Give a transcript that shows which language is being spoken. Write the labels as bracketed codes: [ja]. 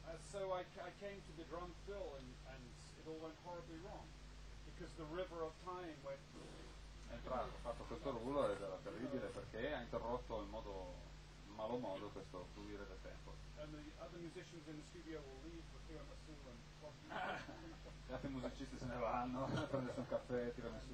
[en] So I came to the drum fill and it all went horribly wrong because the river of time went. [it] Entrato, fatto questo rullo ed era terribile perché ha interrotto in modo malo modo questo fluire del tempo. [en] And the other musicians in the studio will leave for tiramisù and coffee. [it] Gli altri musicisti se ne vanno, prendono un caffè, tiramisù.